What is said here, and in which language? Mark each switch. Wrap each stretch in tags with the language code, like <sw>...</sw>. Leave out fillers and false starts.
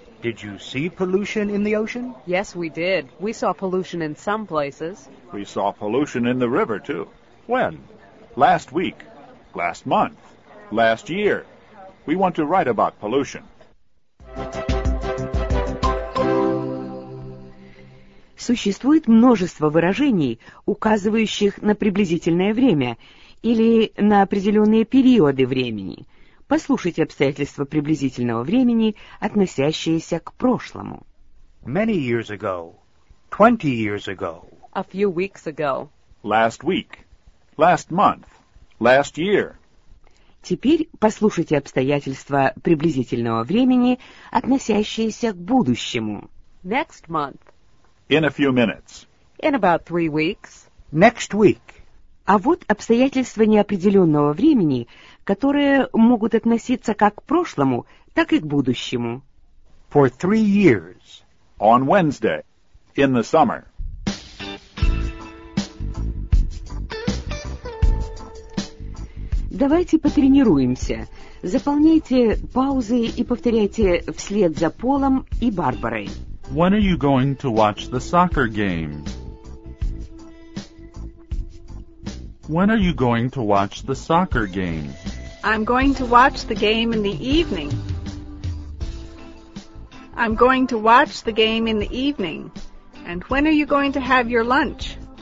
<en>Did you see pollution in the ocean? Yes, we did. We saw pollution in some places. We saw pollution in the river, too. When? Last week. Last month. Last year. We want to write about pollution.</en> <ru>Существует множество выражений, указывающих на приблизительное время или на определенные периоды времени. Послушайте обстоятельства приблизительного времени, относящиеся к прошлому.</ru> <en>Many years ago. 20 years ago. A few weeks ago. Last week. Last month. Last year.</en> <ru>Теперь послушайте обстоятельства приблизительного времени, относящиеся к будущему.</ru> <en>Next month. In a few minutes. In about 3 weeks. Next week.</en> <ru>А вот обстоятельства неопределенного времени, которые могут относиться как к прошлому, так и к будущему.</ru> <en>For 3 years. On Wednesday. In the summer.</en> <ru>Давайте потренируемся. Заполняйте паузы и повторяйте вслед за Полом и Барбарой.</ru> <en>When are you going to watch the soccer game? When are you going to watch the soccer game? I'm going to watch the game in the evening. I'm going to watch the game in the evening. And when are you going to have your lunch?</en>